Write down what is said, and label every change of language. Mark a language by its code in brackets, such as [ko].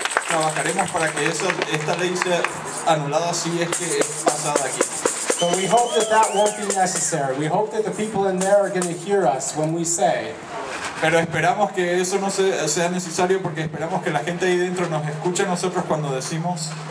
[es] Trabajaremos para que esta ley sea anulada si es que es pasada aquí. [en] But we hope that that won't be necessary. We hope that the people in there are going to hear us when we say. [es] Pero esperamos que eso no sea necesario porque esperamos que la gente ahí dentro nos escuche a nosotros cuando decimos.